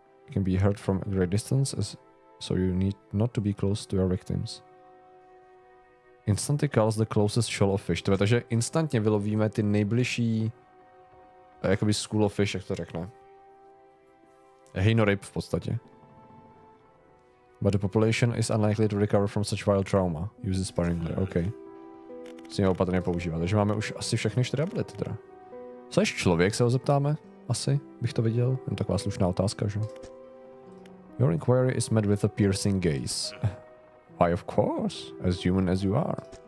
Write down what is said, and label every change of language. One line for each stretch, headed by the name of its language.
English: Can be heard from a great distance, so you need not to be close to your victims. Instantly calls the closest shoal of fish.
Czech: Takže instantně vylovíme ty nejbližší jakoby
English: school of fish,
Czech: jak to řekne. Hejno ryb v podstatě.
English: But the population is unlikely to recover from such wild trauma. Use it sparingly. OK.
Czech: Musíme ho opatrně používat. Takže máme už asi všechny 4 ability teda. Co ještě člověk, se ho zeptáme? Asi bych to viděl. Jen taková slušná otázka, že?
English: Your inquiry is met with a piercing gaze. Why, of course, as human as you are.